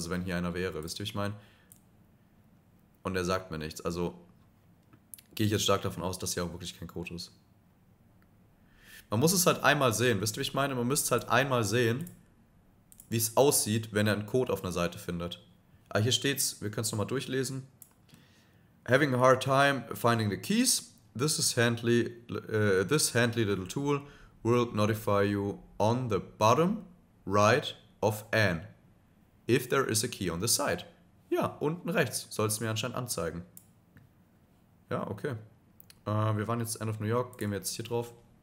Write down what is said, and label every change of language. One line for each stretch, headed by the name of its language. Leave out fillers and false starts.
German: Also wenn hier einer wäre, wisst ihr, was ich meine? Und er sagt mir nichts. Also gehe ich jetzt stark davon aus, dass hier auch wirklich kein Code ist. Man muss es halt einmal sehen, wisst ihr, was ich meine? Man müsste halt einmal sehen, wie es aussieht, wenn er einen Code auf einer Seite findet. Ah, hier steht's, wir können es nochmal durchlesen.
English: Having a hard time finding the keys. This handy little tool will notify you on the bottom right of an if there is a key on the side.
German: Ja, unten rechts soll es mir anscheinend anzeigen. Ja, okay. Wir waren jetzt End of New York, gehen wir jetzt hier drauf.